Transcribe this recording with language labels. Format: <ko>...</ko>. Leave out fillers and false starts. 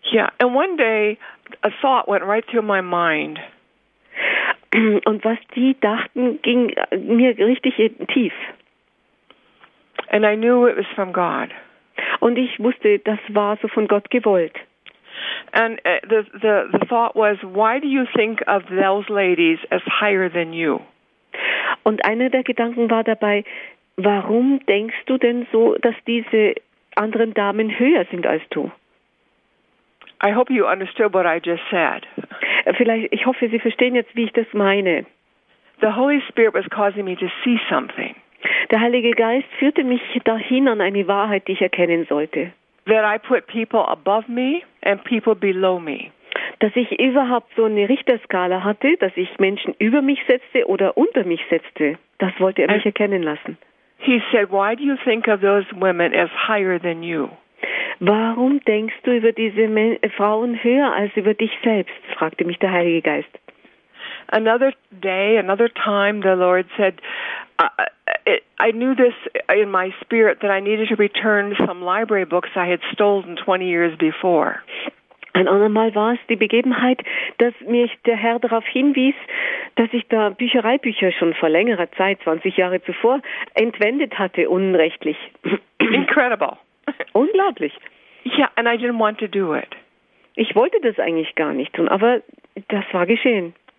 <en>Yeah, and one day a thought went right through my mind.</en> <de>Und was die dachten, ging mir richtig tief.</de> <en>And I knew it was from God.</en> <de>Und ich wusste, das war so von Gott gewollt.</de> <en>And the thought was, why do you think of those ladies as higher than you?</en> <de>Und einer der Gedanken war dabei, warum denkst du denn so, dass diese anderen Damen höher sind als du?</de> <en>I hope you understood what I just said.</en> <de>Vielleicht, ich hoffe, Sie verstehen jetzt, wie ich das meine.</de> <en>The Holy Spirit was causing me to see something.</en> <de>Der Heilige Geist führte mich dahin an eine Wahrheit, die ich erkennen sollte.</de> <en>That I put people above me and people below me.</en> <de>Dass ich überhaupt so eine Richterskala hatte, dass ich Menschen über mich setzte oder unter mich setzte, das wollte er mich erkennen lassen.</de> <en>He said, why do you think of those women as higher than you?</en> <de>Warum denkst du über diese Frauen höher als über dich selbst? Fragte mich der Heilige Geist.</de> <en>Another day, another time, the Lord said, I knew this in my spirit that I needed to return some library books I had stolen 20 years before.</en> <de>Ein andermal war es die Begebenheit, dass mich der Herr darauf hinwies, dass ich da Büchereibücher schon vor längerer Zeit, 20 Jahre zuvor, entwendet hatte, unrechtlich.</de> <en>Incredible.</en> <de>Unglaublich.</de> <en>Yeah, and I didn't want to do it.</en> <de>Ich wollte das eigentlich gar nicht tun, aber das war geschehen.</de>